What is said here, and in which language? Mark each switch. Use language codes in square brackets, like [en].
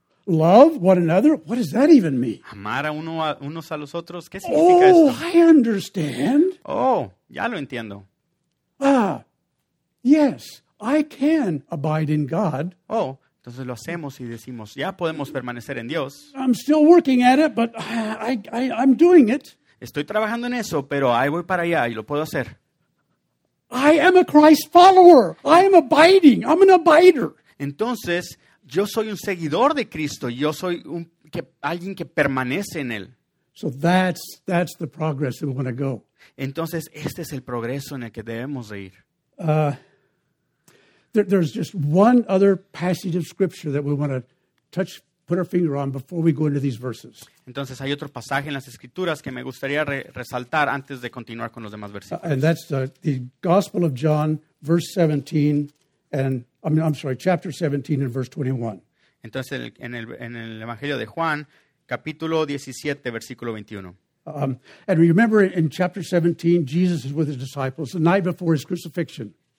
[en] Love one another. What does that even mean? [es] Amar a unos a los otros. ¿Qué significa esto? [en] Oh, I understand. [es] Oh, ya lo entiendo. [en] Ah, yes, I can abide in God. [es] Oh, entonces lo hacemos y decimos, ya podemos permanecer en Dios. [en] I'm still working at it, but I'm doing it. [es] Estoy trabajando en eso, pero ahí voy para allá y lo puedo hacer. [en] I am a Christ follower. I am abiding. I'm an abider. [es] Entonces, yo soy un seguidor de Cristo. Yo soy alguien que permanece en Él. [en] So that's the progress we want to go. [es] Entonces, este es el progreso en el que debemos de ir. [en] There's just one other passage of Scripture that we want to touch, put our finger on before we go into these verses. [es] Entonces, hay otro pasaje en las Escrituras que me gustaría resaltar antes de continuar con los demás versículos. [en] And that's the Gospel of John, verse 17. Chapter 17 and verse 21. [es] Entonces, en el Evangelio de Juan, capítulo 17, versículo 21. [en] And remember, in chapter 17, Jesus is with his disciples the night before his crucifixion.